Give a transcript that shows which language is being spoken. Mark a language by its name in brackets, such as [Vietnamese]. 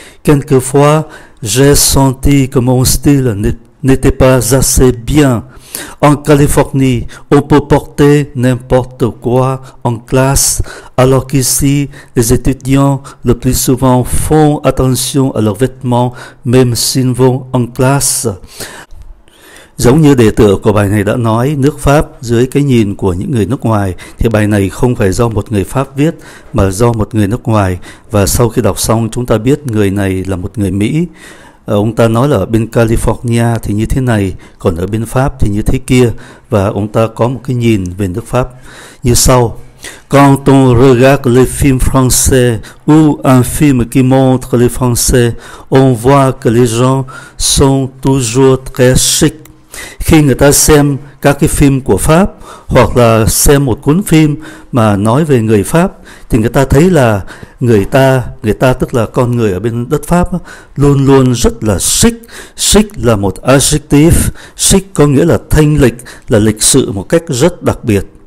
[French] Quelquefois, j'ai senti que mon style n'était pas assez bien. En Californie, on peut porter n'importe quoi en classe, alors qu'ici, les étudiants le plus souvent font attention à leurs vêtements, même s'ils vont en classe. [Vietnamese] Giống như đề tựa của bài này đã nói, nước Pháp dưới cái nhìn của những người nước ngoài, thì bài này không phải do một người Pháp viết mà do một người nước ngoài. Và sau khi đọc xong chúng ta biết người này là một người Mỹ. Ông ta nói là ở bên California thì như thế này, còn ở bên Pháp thì như thế kia. Và ông ta có một cái nhìn về nước Pháp như sau. [French] Quand on regarde les films français ou un film qui montre les Français, on voit que les gens sont toujours très chic. [Vietnamese] Khi người ta xem các cái phim của Pháp hoặc là xem một cuốn phim mà nói về người Pháp thì người ta thấy là người ta tức là con người ở bên đất Pháp luôn luôn rất là chic. Chic là một adjective, chic có nghĩa là thanh lịch, là lịch sự một cách rất đặc biệt.